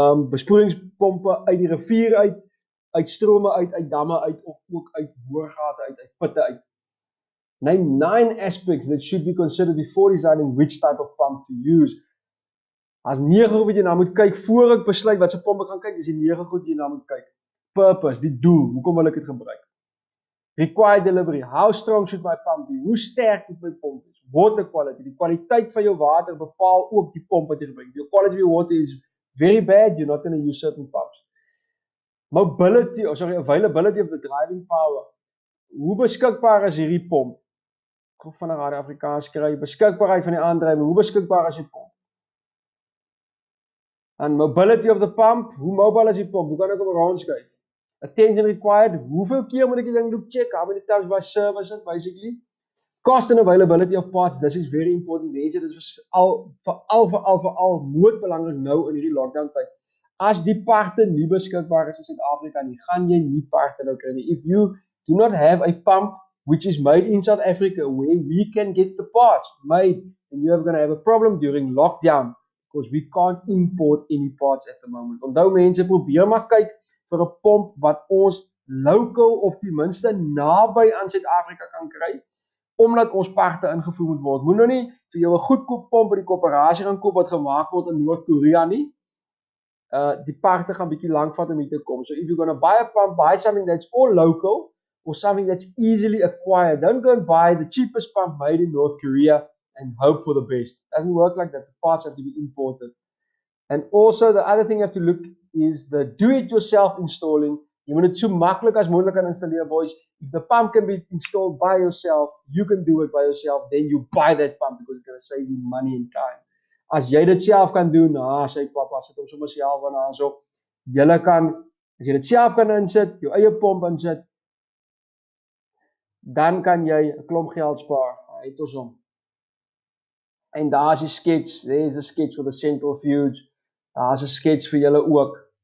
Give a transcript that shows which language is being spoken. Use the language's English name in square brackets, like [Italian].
[Afrikaans] Besproeiingspompe uit die rivier uit, uit strome uit, uit damme uit, of ook uit boorgate uit, uit putte uit. [English] Name 9 aspects that should be considered before deciding which type of pump to use. [Afrikaans] As 9 goed wat jy na moet kyk, voor ek besluit wat se pompe kan kyk, is die 9 goed jy na moet kyk. [English] Purpose, [Afrikaans] die doel, hoekom wil ek dit gebruik? [English] Required delivery, how strong should my pump be? [Afrikaans] Hoe sterk moet my pomp wees? Water quality, die kwaliteit van jou water bepaal ook die pomp wat jy gebruik. [English] Your quality of your water is very bad, you're not going to use certain pumps. Mobility, or sorry, availability of the driving power. [Afrikaans] Hoe beskikbaar is hierdie pomp? Goed van die radio Afrikaans kry, beskikbaarheid van die aandrywing, hoe beskikbaar is die pomp? [English] And mobility of the pump, [Afrikaans] hoe mobile is die pomp? Hoe kan ek hom rondskuif? [English] Attention required, [Afrikaans] hoeveel keer moet ek die ding loop check, [English] how many times by service it, basically. Cost and availability of parts, this is very important, [Afrikaans] mense, dit is vir al noodbelangrik nou in hierdie lockdown tyd. As die parte nie beskikbaar is in Suid-Afrika nie, gaan jy nie parte nou kry nie. [English] If you do not have a pump which is made in South Africa where we can get the parts made, then you are going to have a problem during lockdown because we can't import any parts at the moment. [Afrikaans] Onthou mense, probeer maar kyk vir 'n pomp wat ons local of die minste naby aan Suid-Afrika kan kry, omdat ons parte ingevoer moet word. Moet nou nie vir jou 'n goedkoop pomp by die koöperasie gaan koop wat gemaak word in Noord-Korea nie. Die parte gaan bietjie lank vat om hier te kom. [English] So if you're going to buy a pump, buy something that's all local or something that's easily acquired. Don't go and buy the cheapest pump made in North Korea and hope for the best. Doesn't work like that. The parts have to be imported. And also the other thing you have to look is the do-it-yourself installing. [Afrikaans] Jy moet dit so maklik as moontlik kan installeer, boys. [English] If the pump can be installed by yourself, you can do it by yourself, then you buy that pump because it's going to save you money and time. [Afrikaans] As jy dit self kan doen, sê papa, sit hom sommer self aan ons op. Julle kan, as jy dit self kan insit, jou eie pomp insit, dan kan jy 'n klomp geld spaar. Het ons hom. En daar is die skets, [English] there is a sketch for the centrifuge. [Afrikaans] Daar is 'n skets vir julle ook.